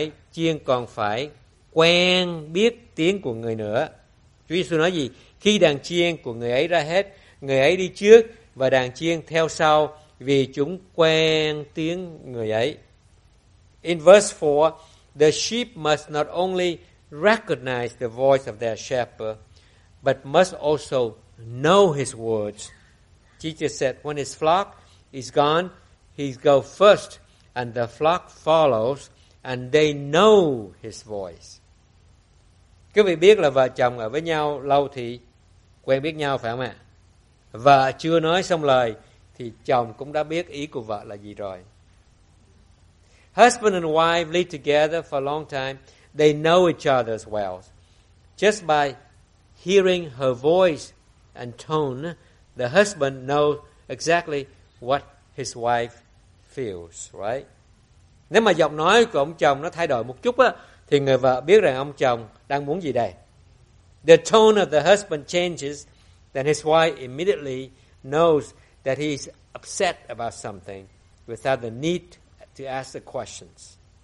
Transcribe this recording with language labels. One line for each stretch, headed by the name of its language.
Vietnamese: Chiên còn phải quen biết tiếng của người nữa. Chúa Giêsu nói gì? Khi đàn chiên của người ấy ra hết, người ấy đi trước và đàn chiên theo sau vì chúng quen tiếng người ấy.
English: In verse 4, the sheep must not only recognize the voice of their shepherd, but must also know his words. Jesus said, when his flock is gone, he goes first, and the flock follows, and they know his voice.
Vietnamese: Quý vị biết là vợ chồng ở với nhau lâu thì quen biết nhau, phải không ạ? Vợ chưa nói xong lời thì chồng cũng đã biết ý của vợ là gì rồi.
English: Husband and wife live together for a long time. They know each other as well. Just by hearing her voice and tone, the husband knows exactly what his wife feels, right?
Vietnamese: Nếu mà giọng nói của ông chồng nó thay đổi một chút á, thì người vợ biết rằng ông chồng đang muốn gì đây.
English: The tone of the husband changes, then his wife immediately knows that he's upset about something without the need to ask the questions.